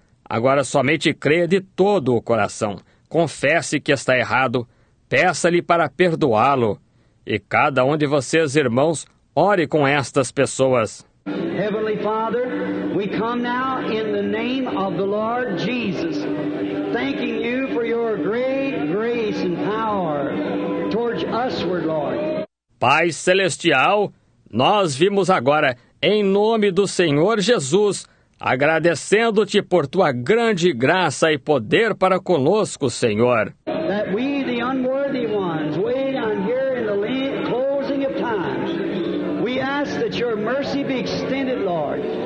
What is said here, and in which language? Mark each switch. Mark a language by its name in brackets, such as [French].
[Portuguese] Agora somente creia de todo o coração. Confesse que está errado. Peça-lhe para perdoá-lo. E cada de vocês, irmãos, ore com estas pessoas. [English] Heavenly Father, we come now in the name of the Lord Jesus, thanking you for your great grace and power towards us, Lord. [Portuguese] Pai Celestial, nós vimos agora, em nome do Senhor Jesus, agradecendo-te por tua grande graça e poder para conosco, Senhor. [English] That we, the unworthy ones, we down here in the closing of times, we ask that your mercy be extended, Lord.